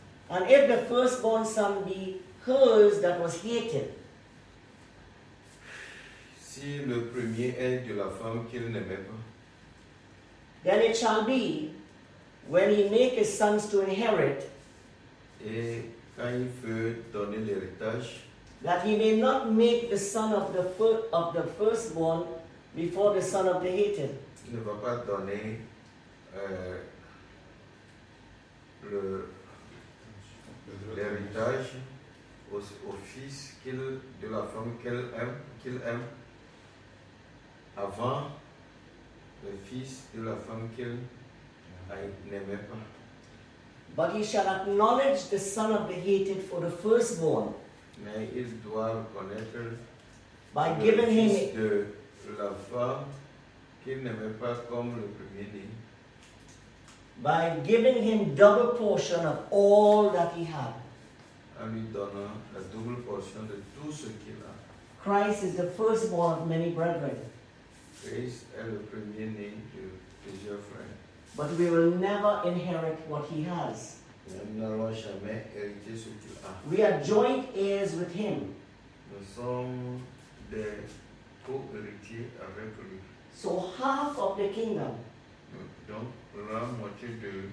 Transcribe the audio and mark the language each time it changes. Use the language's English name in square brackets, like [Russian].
[English] And if the firstborn son be hers that was hated. [French] Si le premier est de la femme qu'il n'aimait pas. [English] Then it shall be when he make his sons to inherit. [French] Et quand il veut donner l'héritage. [English] That he may not make the son of the firstborn before the son of the hated. [French] Il ne va pas donner le. L'héritage au fils qu'il, de la femme qu'il aime avant le fils de la femme qu'il n'aimait pas. [English] But he shall acknowledge the son of the hated for the firstborn. [French] Mais il doit reconnaître [English] by giving [French] le fils [English] him [French] de la femme qu'il n'aimait pas comme le premier né. [English] By giving him double portion of all that he had. [French] En lui donnant la double portion de tout ce qu'il a. [English] Christ is the firstborn of many brethren. [French] Christ est le premier né de plusieurs frères. [English] But we will never inherit what he has. [French] Nous n'allons jamais hériter ce qu'il a. [English] We are joint heirs with him. [French] Nous sommes des co-héritiers avec lui. [English] So half of the kingdom. [French] Donc la moitié de.